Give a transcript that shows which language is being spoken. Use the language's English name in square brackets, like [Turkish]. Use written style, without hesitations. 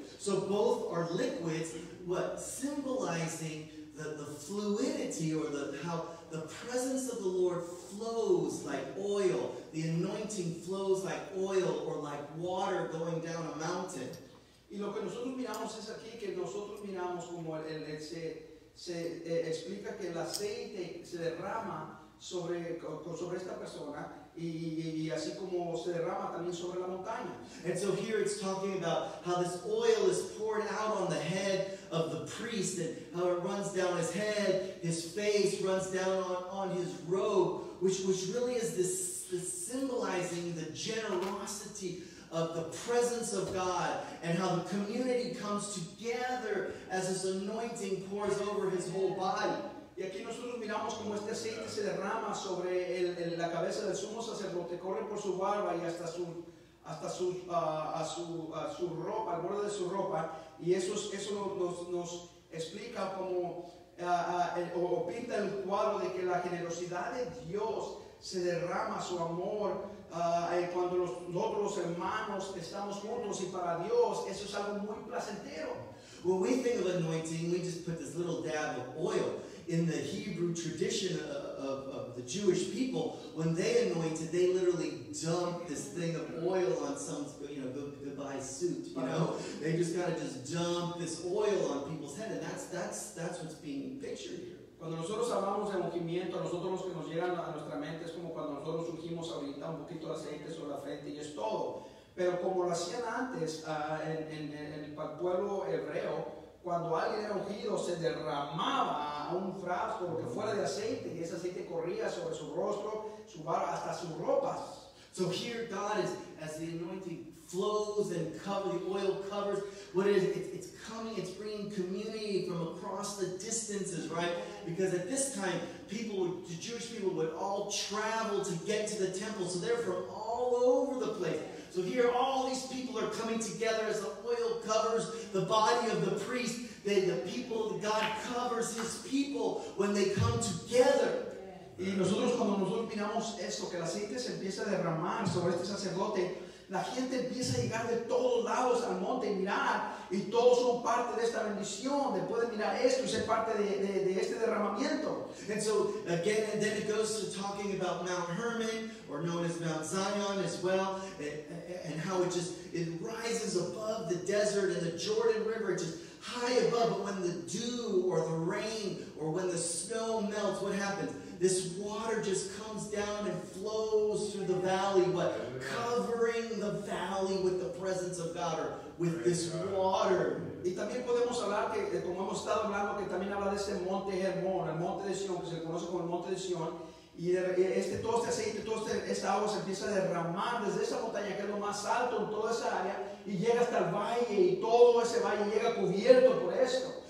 [English] So both are liquids, what symbolizing the fluidity or how the presence of the Lord flows like oil. The anointing flows like oil or like water going down a mountain. [Spanish] Y lo que nosotros miramos es aquí que nosotros miramos como se explica que el aceite se derrama sobre esta persona, y así como se derrama también sobre la montaña. [English] And so here it's talking about how this oil is poured out on the head of the priest, and how it runs down his head, his face runs down on his robe, which really is this symbolizing the generosity of the presence of God, and how the community comes together as this anointing pours over his whole body. [Spanish] Y aquí nosotros miramos como este aceite se derrama sobre la cabeza del sumo sacerdote, corre por su barba y hasta su ropa, al borde de su ropa, y eso nos explica como o pinta el cuadro de que la generosidad de Dios se derrama, su amor, cuando nosotros los hermanos estamos juntos, y para Dios eso es algo muy placentero. [English] When we think of anointing, we just put this little dab of oil. In the Hebrew tradition of the Jewish people, when they anointed, they literally dumped this thing of oil on someone's, goodbye suit. You know, they just kind of just dump this oil on people's head, and that's what's being pictured here. [Spanish] Cuando nosotros hablamos de ungimiento, a nosotros los que nos llegan a nuestra mente es como cuando nosotros ungimos ahorita un poquito de aceite sobre la frente y es todo. Pero como lo hacían antes en el pueblo hebreo, cuando alguien era ungido, se derramaba un frasco que fuera de aceite, y ese aceite corría sobre su rostro, su barba, hasta sus ropas. [English] So here God is, as the anointing flows and covers, the oil covers, what it is, it's coming, it's bringing community from across the distances, right? Because at this time, the Jewish people would all travel to get to the temple, so they're from all over the place. So here all these people are coming together as the oil covers the body of the priest. God covers his people when they come together. [Spanish] Y nosotros cuando nosotros miramos esto, que el aceite se empieza a derramar sobre este sacerdote, la gente empieza a llegar de todos lados al monte y mirar, y todos son parte de esta bendición, de poder mirar esto y ser parte de este derramamiento. [English] And so, again, and then it goes to talking about Mount Hermon, or known as Mount Zion as well, and how it rises above the desert and the Jordan River, just high above, but when the dew or the rain or when the snow melts, what happens? This water just comes down and flows through the valley, but covering the valley with the presence of God, or with this water. [Spanish] Y también podemos hablar que, como hemos estado hablando, que también habla de este monte Hermón, el monte de Sion, que se conoce como el monte de Sion, y todo este aceite, esta agua se empieza a derramar desde esa montaña, que es lo más alto en toda esa área, y llega hasta el valle, y todo ese valle llega cubierto por esto.